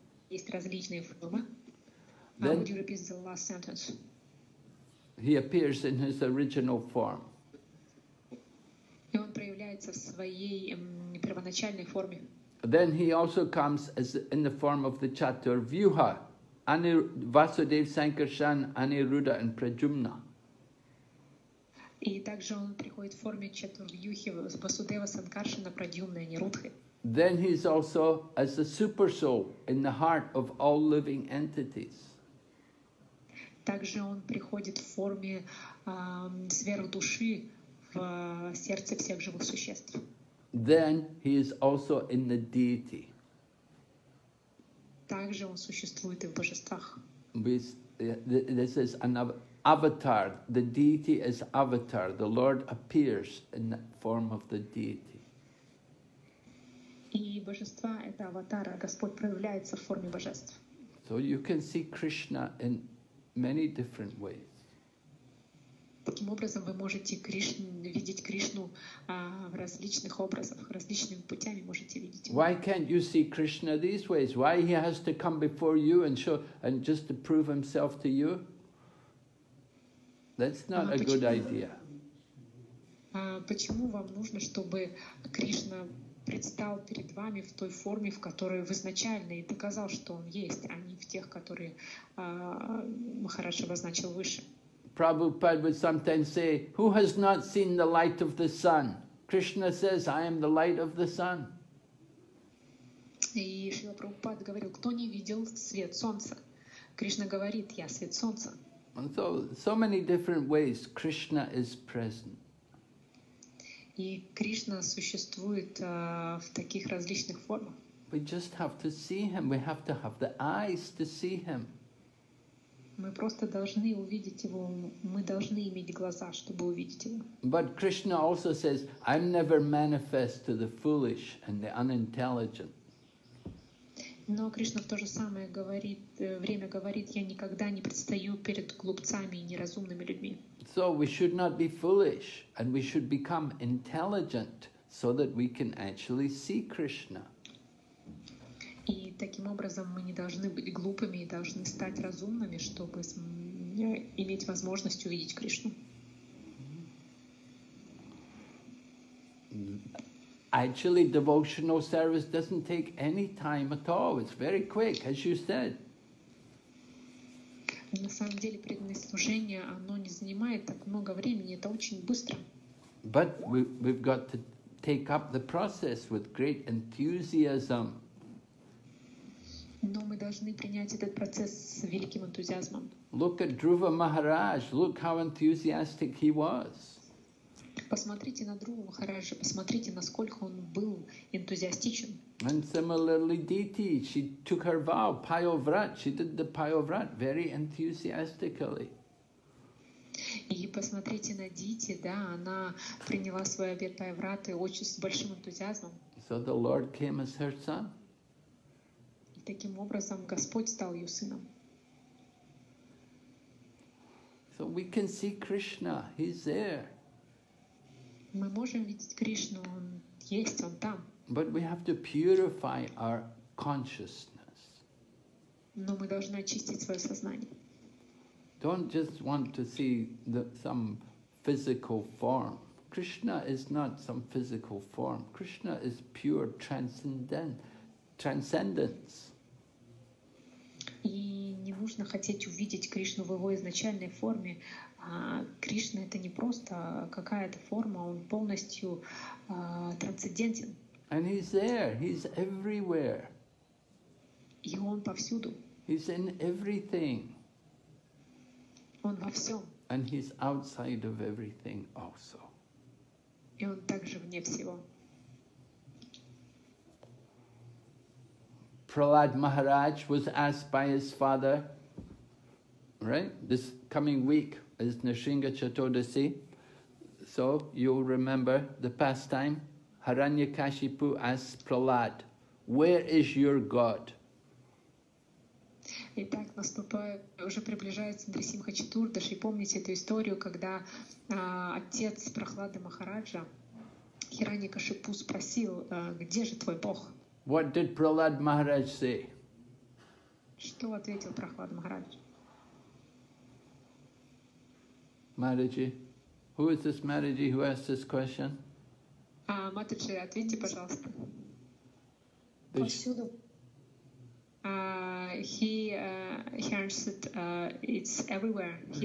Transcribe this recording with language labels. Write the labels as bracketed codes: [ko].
[ru] Есть различные формы. [en] Then, would you repeat the last sentence? He appears in His original form. [ru] И он проявляется в своей первоначальной форме. [en] Then he also comes as in the form of the Chaturvyuha, Vasudev, Sankarshan, Aniruddha and Prajumna. [ru] И также он приходит в форме Чатурвьюхи, Васудева, Санкаршана, Прадюмна и Нирудхи. [en] Then he is also as the super soul in the heart of all living entities. [ru] Также он приходит в форме сверхдуши в сердце всех живых существ. [en] Then he is also in the deity. [ru] Также он существует и в божествах. [en] This is an avatar. The deity is avatar. The Lord appears in the form of the deity. [ru] И божества — это аватар, а Господь проявляется в форме божеств. [en] So you can see Krishna in many different ways. [ru] Таким образом, вы можете видеть Кришну в различных образах, различными путями можете видеть его. [en] Why can't you see Krishna these ways? Why he has to come before you and show and just to prove himself to you? That's not a good idea. [ru] Почему вам нужно, чтобы Кришна предстал перед вами в той форме, в которой вы изначально и доказал, что он есть, а не в тех, которые Махарадж обозначил выше? [en] Prabhupada would sometimes say, who has not seen the light of the sun? Krishna says, I am the light of the sun. [ru] И Шрила Прабхупада говорил, кто не видел свет солнца? Кришна говорит, я свет солнца. [en] And so many different ways Krishna is present. [ru] И Кришна существует в таких различных формах. [en] We just have to see him. We have to have the eyes to see him. [ru] Мы просто должны увидеть его. Мы должны иметь глаза, чтобы увидеть его. [en] But Krishna also says, I'm never manifest to the foolish and the unintelligent. [ru] Но Кришна в то же самое говорит, время говорит, я никогда не предстаю перед глупцами и неразумными людьми. [en] So we should not be foolish, and we should become intelligent, so that we can actually see Krishna. [ru] И таким образом мы не должны быть глупыми и должны стать разумными, чтобы иметь возможность увидеть Кришну. [en] Actually, devotional service doesn't take any time at all. It's very quick, as you said. [ru] На самом деле, преданное служение, оно не занимает так много времени. Это очень быстро. [en] But we've got to take up the process with great enthusiasm. [ru] Но мы должны принять этот процесс с великим энтузиазмом. [en] Look at Dhruva Maharaj. Look how enthusiastic he was. [ru] Посмотрите на Дхрува Махараджа, посмотрите, насколько он был энтузиастичен. [en] And similarly, Diti, she took her vow, Payovrat, she did the Payovrat very enthusiastically. [ru] И посмотрите на Дити, да, она приняла свой обет Payovrat очень с большим энтузиазмом. [en] So the Lord came as her son. [ru] И таким образом Господь стал ее сыном. [en] So we can see Krishna, he's there. [ru] Мы можем видеть Кришну, он есть, он там. [en] But we have to purify our consciousness. [ru] Но мы должны очистить свое сознание. [en] Don't just want to see some physical form. Krishna is not some physical form. Krishna is pure transcendence. [ru] И не нужно хотеть увидеть Кришну в его изначальной форме. Кришна — это не просто какая-то форма, он полностью трансцендентен. [en] And he's there, he's everywhere. [ru] И он повсюду. [en] He's in everything. [ru] Он во всем. [en] And he's outside of everything also. [ru] И он также вне всего. [en] Prahlad Maharaj was asked by his father, right, this coming week, is Narsingha Chaturdasi. So you'll remember the past time, Haranyakashipu asked Prahlad, where is your God? [ru] Итак, наступает, уже приближается Нарсимха Чатурдаши. Помните эту историю, когда отец Прахлады Махараджа, Хираньякашипу, спросил, где же твой Бог? [en] What did Prahlad Maharaj say? [ru] Что ответил Прахлад Махарадж? [en] Mataji, who is this Mataji who asked this question? [ru] Mataji, ответьте, пожалуйста. Повсюду. [en] He answered, it's everywhere. He's